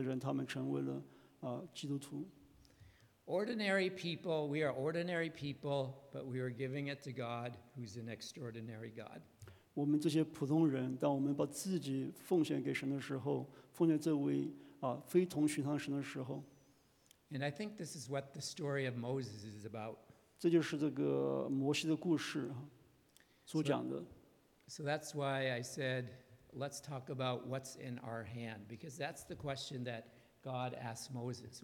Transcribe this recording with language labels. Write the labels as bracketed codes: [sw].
[zh] 我们向神所奉献上的，被神使用，然后呢，加倍的增添。在下面一些相片，就是我们在宣教的时候，在有些那个就是我认识的人，他们成为了基督徒。 [en] Ordinary people, we are ordinary people, but we are giving it to God, who's an extraordinary God. [zh] 我们这些普通人，当我们把自己奉献给神的时候，奉献这位非同寻常神的时候。 [en] And I think this is what the story of Moses is about. [zh] 这就是这个摩西的故事所讲的。 [en] So that's why I said, let's talk about what's in our hand, because that's the question that God asked Moses.